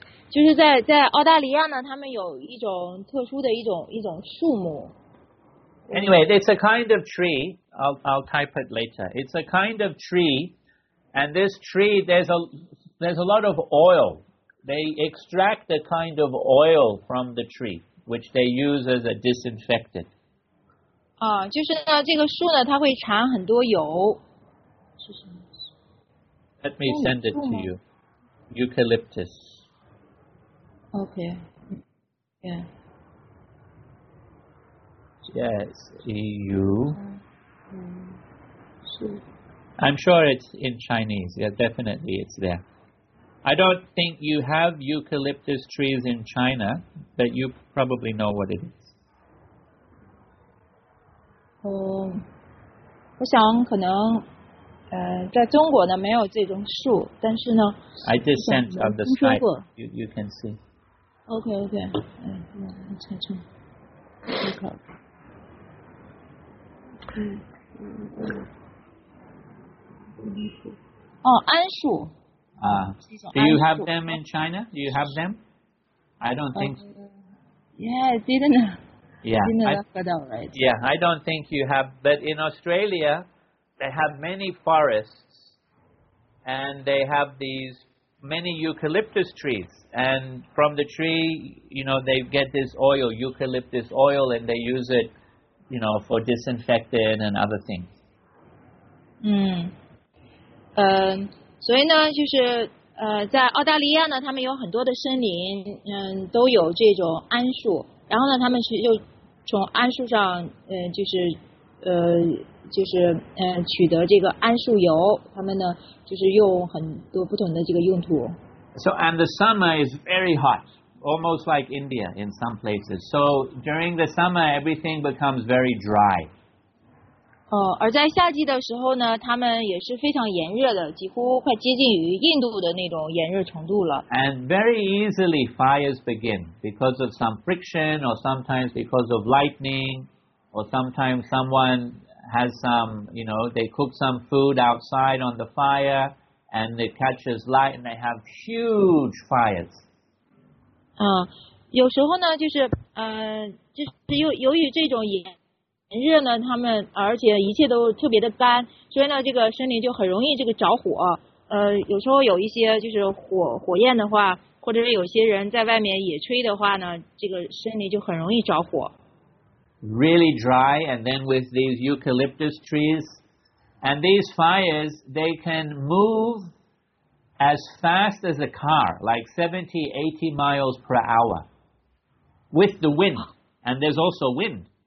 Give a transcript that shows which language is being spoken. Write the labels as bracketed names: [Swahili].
[Chinese] 就是在澳大利亚呢，他们有一种特殊的一种树木。 [English] Anyway, it's a kind of tree. I'll type it later. It's a kind of tree, and this tree there's a lot of oil. They extract a kind of oil from the tree, which they use as a disinfectant. [Chinese] 就是呢，这个树呢，它会产很多油。 [English] Let me send it to you. Eucalyptus. Okay. Yeah. Yes, E-U. I'm sure it's in Chinese. Yeah, definitely it's there. I don't think you have eucalyptus trees in China, but you probably know what it is. [Chinese] 我想可能在中国呢没有这种树，但是呢 [English] I just sent on the Skype. You can see. Okay. [Chinese] 桉树。 [English] Do you have them in China? Do you have them? I don't think. I don't think you have. But in Australia, they have many forests, and they have these many eucalyptus trees. And from the tree, you know, they get this oil, eucalyptus oil, and they use it, you know, for disinfectant and other things. [Chinese] 所以呢，就是在澳大利亚呢，他们有很多的森林，都有这种桉树。然后呢，他们是又从桉树上，取得这个桉树油。他们呢，就是用很多不同的这个用途。 [English] So and the summer is very hot, almost like India in some places. So during the summer, everything becomes very dry. [Chinese] 而在夏季的时候呢，他们也是非常炎热的，几乎快接近于印度的那种炎热程度了。 [English] And very easily fires begin because of some friction, or sometimes because of lightning, or sometimes someone has some, you know, they cook some food outside on the fire, and it catches light, and they have huge fires. [Chinese] 有时候呢，就是由于这种炎热呢，他们而且一切都特别的干，所以呢，这个森林就很容易这个着火。有时候有一些就是火焰的话，或者是有些人在外面野炊的话呢，这个森林就很容易着火。 [English] Really dry, and then with these eucalyptus trees, and these fires, they can move as fast as a car, like 70-80 miles per hour, with the wind, and there's also wind.